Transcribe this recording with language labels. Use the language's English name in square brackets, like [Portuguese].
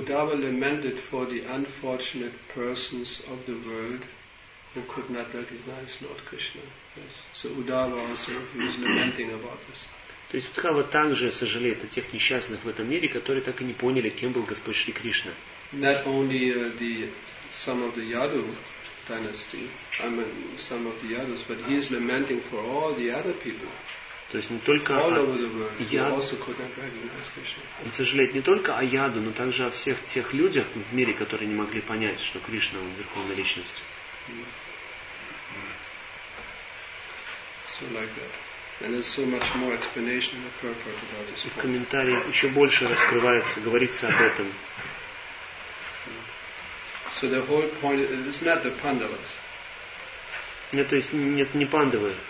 [English] Uddhava lamented for the unfortunate persons of the world who could not recognize Lord Krishna. Yes. So Uddhava also was lamenting about this. [Russian] То есть Удхава также сожалеет о тех несчастных в этом мире, которые так и не поняли, кем был Господь Шри Кришна. [English] Not only the some of the Yadu dynasty, I mean some of the Yadus, but he is lamenting for all the other people. [Russian] То есть не только [English] all over the world, Яд... he also could not recognize Krishna. [Russian] Он сожалеет не только о Яду, но также о всех тех людях в мире, которые не могли понять, что Кришна он верховная личность. [English] So like that. And there's so much more explanation in the purport about this. [Russian] В комментарии еще больше раскрывается, говорится об этом. [English] So the whole point is not the Pandavas. [Russian] Нет, то есть нет не Пандавы.